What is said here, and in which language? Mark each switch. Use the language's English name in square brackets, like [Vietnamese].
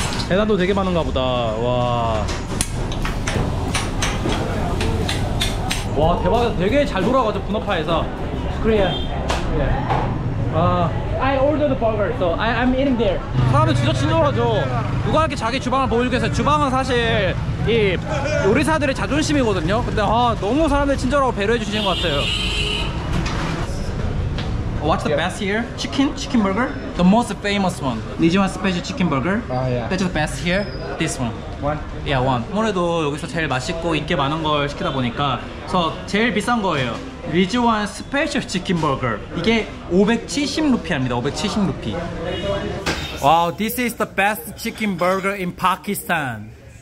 [Korean] 해산도 되게 많은가 보다. 와. 와, 대박이다. 되게 잘 돌아가죠, 분업화에서. [English] Korea. Yeah. I ordered the burger, so I'm eating there. [Korean] 사람들 진짜 친절하죠. 누가 이렇게 자기 주방을 보여주기 위해서. 주방은 사실 이 요리사들의 자존심이거든요. 근데 아, 너무 사람들 친절하고 배려해 주시는 것 같아요. [English] What's the best here? Chicken? Chicken burger? The most famous one. Nijiwan special chicken burger. Yeah. That's the best here? This one. One? Yeah, one. [Korean] 아무래도 여기서 제일 맛있고 인기 많은 걸 시키다 보니까 그래서 제일 비싼 거예요. 리즈완 스페셜 치킨 버거. 이게 570루피입니다. 570루피. [English] 와우, this is the best chicken burger in Pakistan.